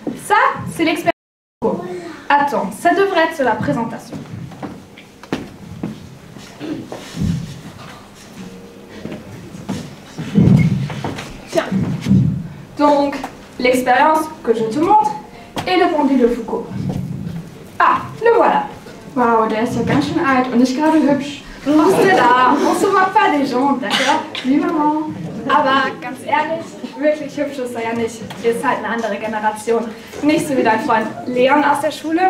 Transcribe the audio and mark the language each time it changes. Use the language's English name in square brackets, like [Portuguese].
[French] Ça, c'est l'expérience. Attends, ça devrait être sur la présentation. Donc, l'expérience que je te montre est le pendule de Foucault. Ah, le voilà. [German] Waouh, der ist ja ganz schön alt und nicht gerade hübsch. [French] Oh Stella, on se voit pas des gens, d'accord? Oui, maman. [German] Aber ganz ehrlich, wirklich hübsch ist er ja nicht. Ist halt eine andere Generation. Nicht so wie dein Freund Leon aus der Schule.